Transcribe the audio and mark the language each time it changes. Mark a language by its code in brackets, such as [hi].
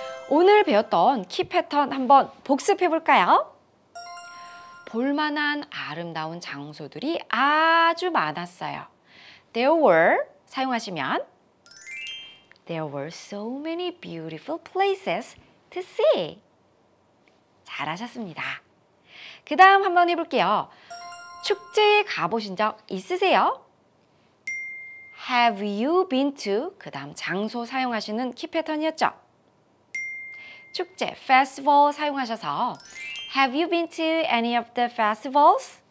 [ko] 오늘 배웠던 키 패턴 한번 복습해 볼까요? 볼만한 아름다운 장소들이 아주 많았어요. [en] There were [ko] 사용하시면 [en] There were so many beautiful places to see. [ko] 잘하셨습니다. 그 다음 한번 해볼게요. 축제에 가보신 적 있으세요? [en] Have you been to? [ko] 그 다음 장소 사용하시는 키 패턴이었죠? 축제, [en] festival [ko] 사용하셔서 [en] Have you been to any of the festivals?